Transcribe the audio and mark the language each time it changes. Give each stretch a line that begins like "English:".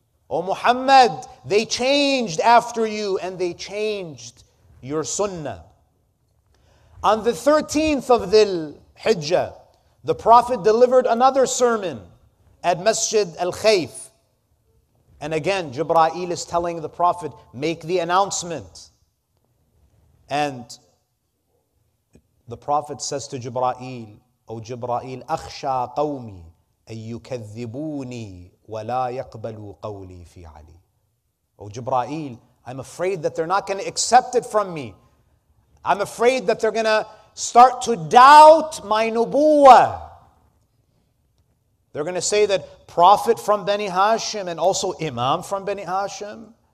English: O Muhammad, they changed after you and they changed your sunnah. On the 13th of Dhul Hijjah, the Prophet delivered another sermon at Masjid Al-Khayf. And again, Jibra'il is telling the Prophet, make the announcement. And the Prophet says to Jibra'il, O Jibra'il,
Arabic: أَخْشَى قَوْمِي أَن يُكَذِّبُونِي وَلَا يَقْبَلُوا قَوْلِي فِي عَلِي.
English: O Jibra'il, I'm afraid that they're not going to accept it from me. I'm afraid that they're going to start to doubt my nubuwwah. They're going to say that prophet from Bani Hashim and also imam from Bani Hashim.